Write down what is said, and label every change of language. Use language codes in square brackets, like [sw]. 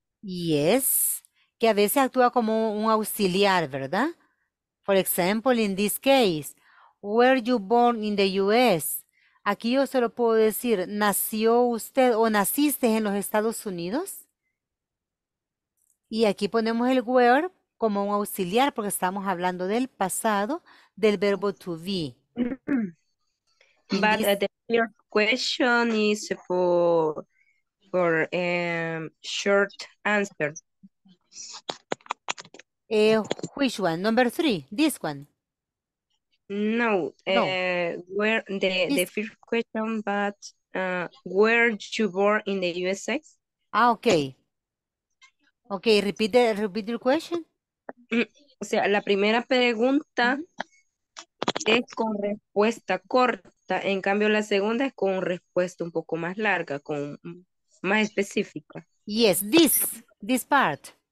[es] Yes, que a veces actúa como un auxiliar, ¿verdad? [en] For example, in this case, were you born in the US? [es] Aquí yo se lo puedo decir, ¿nació usted o naciste en los Estados Unidos? Y aquí ponemos el were como un auxiliar, porque estamos hablando del pasado, del verbo to be. [en] But the question is for short answer. Which one? Number three, this one. No, the first question, but were you born in the USA? Ah, okay. Okay, repeat your question. [es] O sea, la primera pregunta es con respuesta corta, en cambio la segunda es con respuesta un poco más larga, con más específica. [en] Yes, this part.